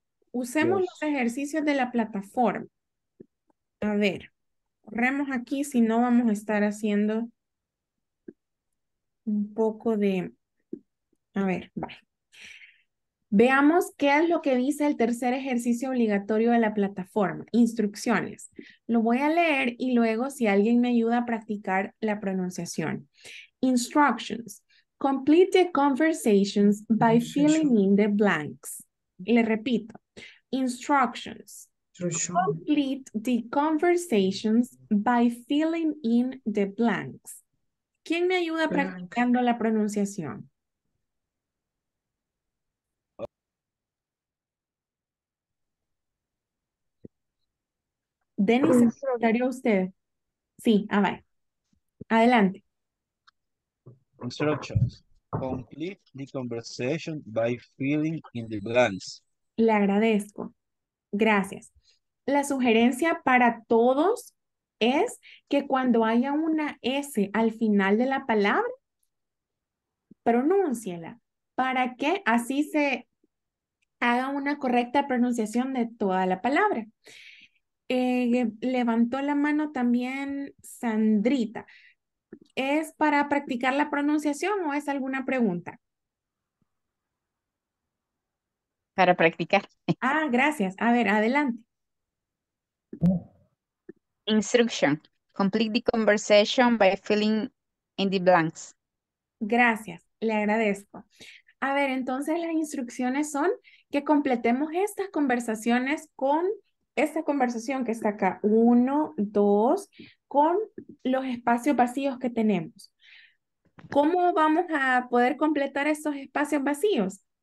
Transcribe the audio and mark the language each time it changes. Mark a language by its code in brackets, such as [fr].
[es] Usemos los ejercicios de la plataforma. A ver, corremos aquí si no vamos a estar haciendo un poco de... A ver, va. Veamos qué es lo que dice el tercer ejercicio obligatorio de la plataforma. Instrucciones. Lo voy a leer y luego si alguien me ayuda a practicar la pronunciación. [en] Instructions. Complete the conversations by filling in the blanks. [es] Le repito. [en] Instructions. Complete the conversations by filling in the blanks. [es] ¿Quién me ayuda practicando la pronunciación? Denis, ¿estaría usted? Sí, a ver. Adelante. [en] Instructions. Complete the conversation by filling in the blanks. [es] Le agradezco. Gracias. La sugerencia para todos es que cuando haya una S al final de la palabra, pronúnciela para que así se haga una correcta pronunciación de toda la palabra. Levantó la mano también Sandrita. ¿Es para practicar la pronunciación o es alguna pregunta? Para practicar. Ah, gracias. A ver, adelante. [en] Instruction. Complete the conversation by filling in the blanks. [es] Gracias, le agradezco. A ver, entonces las instrucciones son que completemos estas conversaciones con esta conversación que está acá, uno, dos, con los espacios vacíos que tenemos. ¿Cómo vamos a poder completar estos espacios vacíos?